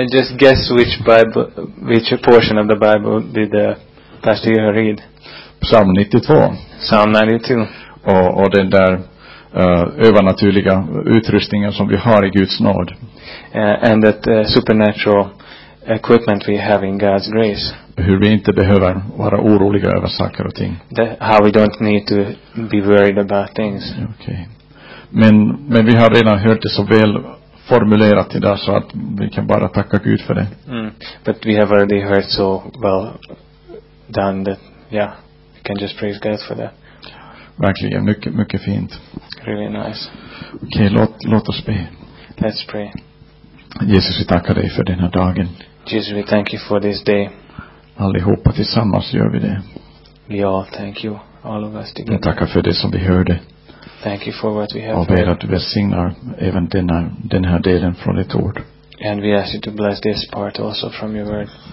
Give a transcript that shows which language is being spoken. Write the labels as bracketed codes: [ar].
[en] And just guess which portion of the Bible did the Pastor Johan read? Psalm 92. Psalm 92. [sv] Och den där övernaturliga utrustningen som vi har i Guds nåd. [en] And that supernatural equipment we have in God's grace. [sv] Hur vi inte behöver vara oroliga över saker och ting. [en] How we don't need to be worried about things. Okay. [sv] Men vi har redan hört det så väl formulerat idag så att vi kan bara tacka Gud för det. [en] But we have already heard so well done that, yeah, we can just praise God for that. [sv] Verkligen, mycket, mycket fint. [en] Really nice. [sv] Okej, låt oss be. [en] Let's pray. [sv] Jesus, vi tackar dig för den här dagen. [en] Jesus, we thank you for this day. [sv] Allihopa tillsammans gör vi det. [en] We all thank you, all of us together. [sv] Jag tackar för det som vi hörde. [en] Thank you for what we have [sv] heard. Och ber att du välsignar även den här delen från ditt ord. [en] And we ask you to bless this part also from your word.